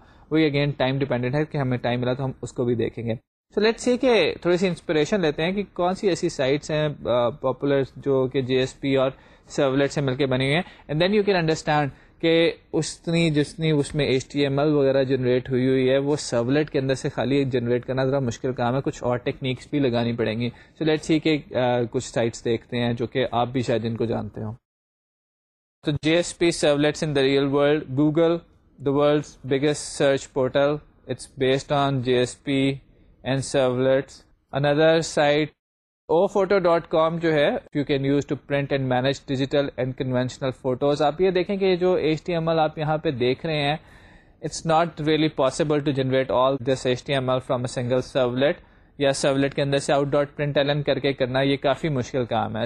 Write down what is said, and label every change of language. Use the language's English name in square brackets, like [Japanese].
[Urdu] وہی again time dependent ہے کہ ہمیں ٹائم ملا تو ہم اس کو بھی دیکھیں گے [English] so let's see [Urdu] کہ تھوڑی سی انسپریشن لیتے ہیں کہ کون سی ایسی سائٹس ہیں پاپولر جو کہ جی ایس پی اور سرولیٹ سے مل کے بنی ہوئی ہیں [English] and then you can understand [Urdu] کہ جتنی اس میں HTML وغیرہ جنریٹ ہوئی ہوئی ہے وہ سرولیٹ کے اندر سے خالی جنریٹ کرنا ذرا مشکل کام ہے, کچھ اور ٹیکنیکس بھی لگانی پڑیں گی. [English] so let's see [Urdu] کہ کچھ سائٹس دیکھتے ہیں جو کہ آپ بھی شاید ان کو جانتے ہوں. [English] تو J S P servlets in the real world, Google the world's biggest search portal, it's based on J S P and servlets. اندر site ofoto.com [Urdu] جو ہے [English] You can use to print and manage digital and conventional photos. [Urdu] آپ یہ دیکھیں کہ جو HTML آپ یہاں پہ دیکھ رہے ہیں [English] it's not really possible to generate all this HTML from a single servlet [Urdu] یا سرولیٹ کے اندر سے آؤٹ ڈاٹ پرنٹ ایلن کر کے کرنا یہ کافی مشکل کام ہے.